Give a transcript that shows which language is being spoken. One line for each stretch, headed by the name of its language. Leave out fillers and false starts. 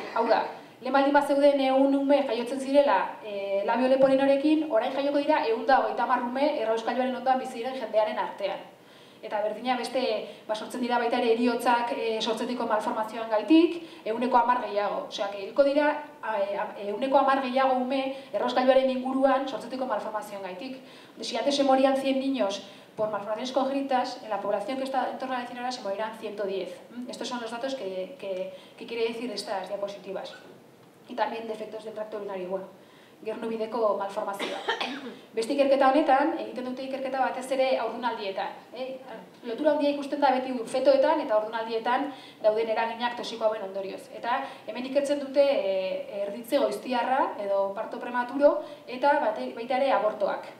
Basque: Hau da, lehen baldin bat zeuden 100 ume jaiotzen zirela labio leporinorekin, orain jaioko dira 130 ume errauskailuaren ondoan bizi diren jendearen artean. Eta berdina beste sortzen dira baita ere heriotzak sortzetiko malformazioan gaitik, 110 gehiago. Osea, hilko dira 110 gehiago ume errauskailuaren inguruan sortzetiko malformazioan gaitik.
Spanish: Si antes se morían 100 niños por malformaciones congénitas, en la población que está en torno a la cienora se morirán 110. Estos son los datos que quiere decir estas diapositivas. Y también defectos del tracto urinario.
Basque: Bueno, gernubideko malformazioa. Beste ikerketa honetan, egiten dute ikerketa batez ere haurdunaldietan. Lotura handia ikusten da beti fetoetan eta haurdunaldietan dauden eraginak toxiko hauen ondorioz. Eta hemen ikertzen dute erditze goiztiarra edo
Spanish: parto prematuro
Basque: eta baita ere abortoak.